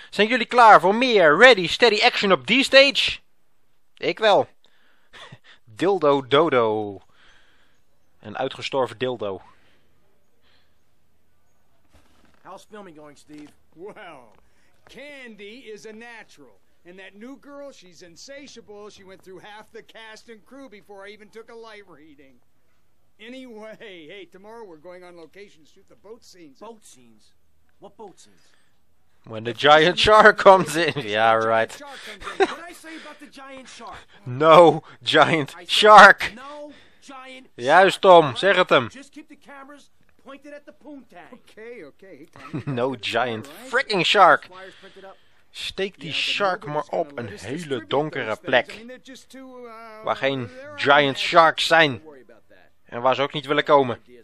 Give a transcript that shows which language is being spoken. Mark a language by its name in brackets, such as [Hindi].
[Dutch] Zijn jullie klaar voor meer Ready Steady Action op die stage? Ik wel. Dildo Dodo. Een uitgestorven dildo. [English] How's filming going, Steve? Well, Candy is a natural. And that new girl, she's insatiable. She went through half the cast and crew before I even took a light reading. Anyway, hey, tomorrow we're going on location to shoot the boat scenes. Boat scenes? What boat scenes? When the giant shark comes in. Yeah, right. What did I say about the giant shark? No giant shark. No giant shark. [Dutch] Juist, Tom. Zeg het hem. [English] Just keep the cameras pointed at the poon tag. Okay. No giant freaking shark. [Dutch] Steek die shark maar op een hele donkere plek. Waar geen [English] giant sharks [Dutch] zijn. En waar ze ook niet willen komen.